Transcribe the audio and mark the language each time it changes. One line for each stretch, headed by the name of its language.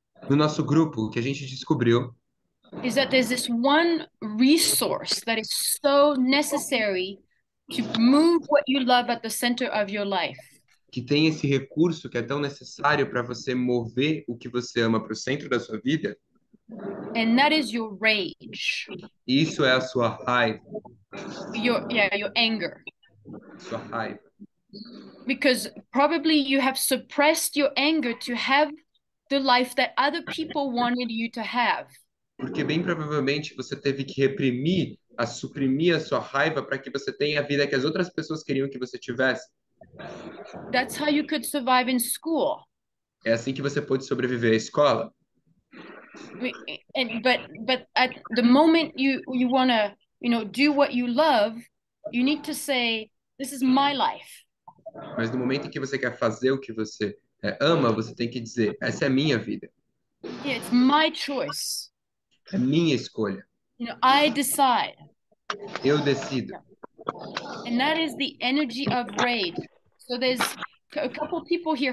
Portuguese: No nosso grupo, o que a gente descobriu?
English: is that there's this one resource that is so necessary to move what you love at the center of your life.
Portuguese: Que tem esse recurso que é tão necessário para você mover o que você ama para o centro da sua vida?
English: And that is your rage.
Portuguese: Isso é a sua raiva.
English: Your anger.
Portuguese: Sua raiva.
English: Because probably you have suppressed your anger to have the life that other people wanted you to have.
Portuguese: Porque bem provavelmente você teve que suprimir a sua raiva para que você tenha a vida que as outras pessoas queriam que você tivesse.
English: That's how you could survive in school.
Portuguese: É assim que você pôde sobreviver à escola.
English: But at the moment you wanna, do what you love, you need to say, this is my life.
Portuguese: Mas no momento em que você quer fazer o que você ama, você tem que dizer: essa é a minha vida.
English: Yeah, it's my choice.
Portuguese: É minha escolha.
English: I decide.
Portuguese: Eu decido.
English: And that is the energy of rage. So there's a couple people here.